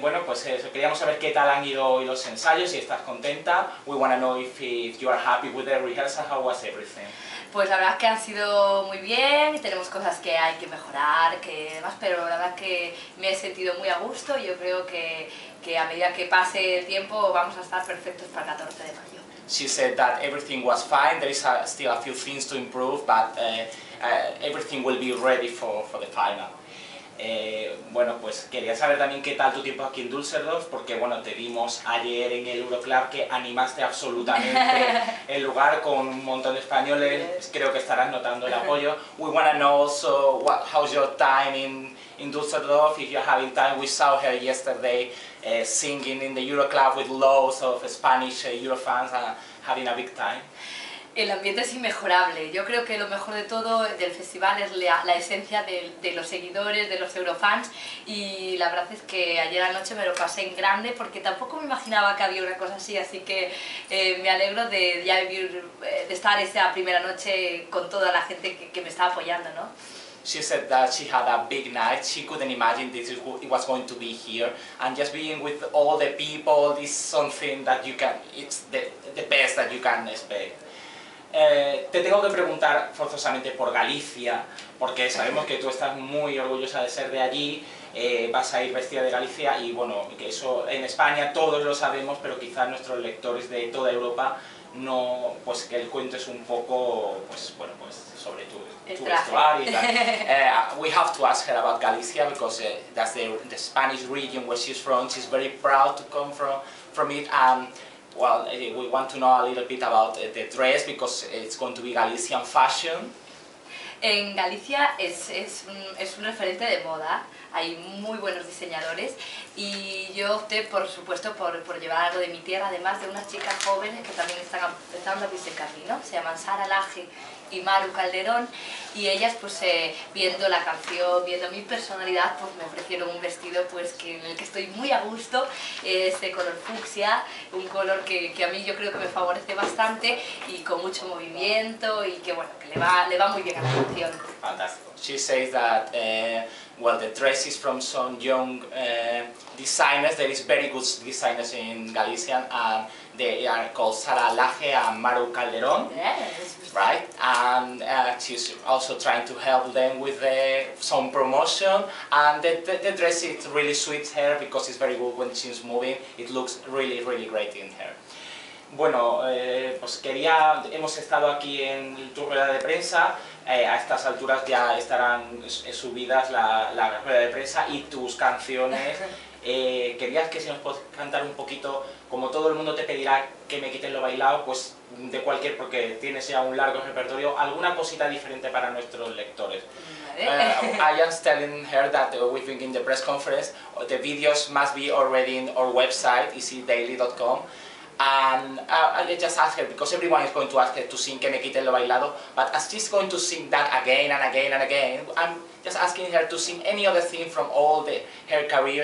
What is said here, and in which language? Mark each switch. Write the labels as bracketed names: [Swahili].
[Spanish] Bueno, pues eso, queríamos saber qué tal han ido hoy los ensayos, si estás contenta. [English] We want to know if you are happy with the rehearsal, how was everything? [Spanish] Pues la verdad es que han sido muy bien, tenemos cosas que hay que mejorar, que demás, pero la verdad es que me he sentido muy a gusto y yo creo que a medida que pase el tiempo vamos a estar perfectos para el 14 de mayo. [English] She said that everything was fine, there is still a few things to improve, but everything will be ready for the final. [Spanish] Bueno, pues quería saber también qué tal tu tiempo aquí en Düsseldorf, porque bueno, te vimos ayer en el Euroclub que animaste absolutamente el lugar con un montón de españoles. [English] Yes. [Spanish] Creo que estarás notando el apoyo. [English] We want to know also how's your time in Düsseldorf, if you're having time. We saw her yesterday singing in the Euroclub with loads of Spanish Eurofans and having a big time. [Spanish] El ambiente es inmejorable. Yo creo que lo mejor de todo del festival es la esencia de los seguidores, de los eurofans, y la verdad es que ayer anoche me lo pasé en grande porque tampoco me imaginaba que había una cosa así, así que me alegro de ya vivir, de estar esa primera noche con toda la gente que me está apoyando, ¿no? [English] She said that she had a big night. She couldn't imagine this is it was going to be here, and just being with all the people is something that you can, it's the best that you can expect. [Spanish] Te tengo que preguntar forzosamente por Galicia, porque sabemos que tú estás muy orgullosa de ser de allí, vas a ir vestida de Galicia y bueno, que eso en España todos lo sabemos, pero quizás nuestros lectores de toda Europa no, pues que les cuentes un poco, pues bueno, pues sobre tu vestuario y tal. [English] We have to ask her about Galicia because that's the Spanish region where she's from. She's very proud to come from it. Well, we want to know a little bit about the dress because it's going to be Galician fashion. [Spanish] En Galicia es un referente de moda. Hay muy buenos diseñadores y yo opté, por supuesto, por llevar algo de mi tierra, además de unas chicas jóvenes que también están empezando a abrirse camino. Se llaman Sara Laje y Maru Calderón, y ellas, pues viendo la canción, viendo mi personalidad, pues me ofrecieron un vestido pues que en el que estoy muy a gusto, este color fucsia, un color que a mí yo creo que me favorece bastante y con mucho movimiento y que bueno, que le va muy bien a la canción. Fantástico. [English] She says that well, the dress is from some young designers. There is very good designers in Galicia, and they are called Sara Laje and Maru Calderón. Yes. Right? And she's also trying to help them with some promotion. And the dress, it really suits her because it's very good when she's moving. It looks really, really great in her. [Spanish] Bueno, pues quería, hemos estado aquí en tu rueda de prensa, a estas alturas ya estarán subidas la rueda de prensa y tus canciones. Querías que si nos puedes cantar un poquito, como todo el mundo te pedirá que me quiten lo bailado, pues de cualquier, porque tienes ya un largo repertorio, alguna cosita diferente para nuestros lectores. [English] I am telling her that we've been in the press conference, the videos must be already in our website, easydaily.com. And I just ask her, because everyone is going to ask her to sing Que me quiten lo bailado, but as she's going to sing that again and again and again, I'm just asking her to sing any other thing from all the her career.